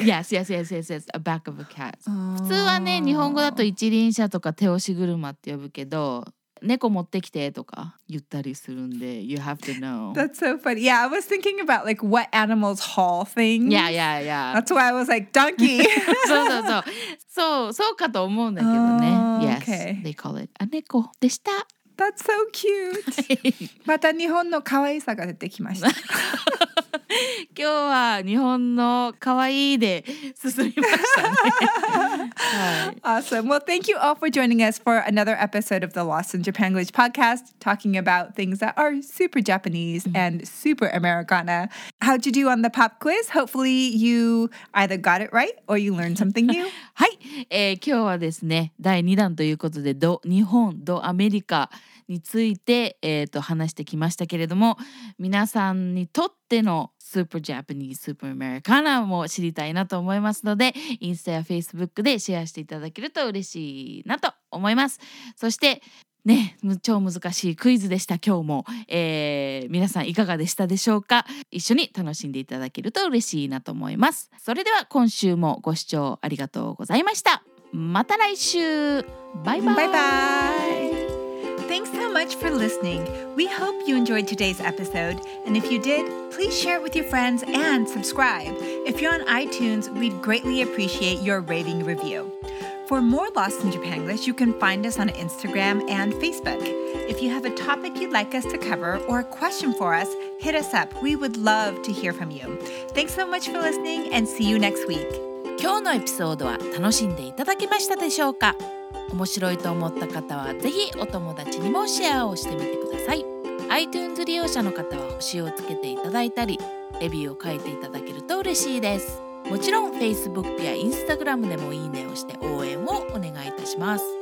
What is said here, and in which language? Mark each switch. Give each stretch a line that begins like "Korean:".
English: Yes, yes, yes, yes, yes. A back of a cat.
Japanese: 普通はね、日本語だと一輪車とか手押し車って呼ぶけど、猫持ってきてとか言ったりするんで、
English: you have to know. That's so funny. Yeah, I was thinking about like what animals haul things. Yeah, yeah, yeah. That's why I was like, donkey.
Japanese: そうそうそう。そう、そうかと思うんだけどね。
English: Yes, they call it a 猫でした。 That's so cute.
Japanese: また日本の可愛さが出てきました。今日は日本の可愛いで進みましたね。
English: Well, thank you all for joining us for another episode of the Lost in Japan English podcast, talking about things that are super Japanese and super Americana. How'd you do on the pop quiz? Hopefully you either got it right or you learned something new.
Japanese: はい、今日はですね、第2弾ということで、ド日本、ドアメリカについて、話してきましたけれども、皆さんにとってのスーパージャパニーズ、スーパーアメリカナも知りたいなと思いますので、インスタやフェイスブックでシェアしていただけると嬉しいなと思います。そしてね、超難しいクイズでした今日も、皆さんいかがでしたでしょうか。一緒に楽しんでいただけると嬉しいなと思います。それでは今週もご視聴ありがとうございました。また来週、バイバイ。バイバイ。
English: Thanks so much for listening. We hope you enjoyed today's episode. And if you did, please share it with your friends and subscribe. If you're on iTunes, we'd greatly appreciate your rating review. For more Lost in Japanglish, you can find us on Instagram and Facebook. If you have a topic you'd like us to cover or a question for us, hit us up. We would love to hear from you. Thanks so much for listening and see you next week.
Japanese: 今日のエピソードは楽しんでいただけましたでしょうか?面白いと思った方はぜひお友達にもシェアをしてみてください。 iTunes 利用者の方は星をつけていただいたり、レビューを書いていただけると嬉しいです。もちろん Facebook や Instagram でもいいねをして応援をお願いいたします。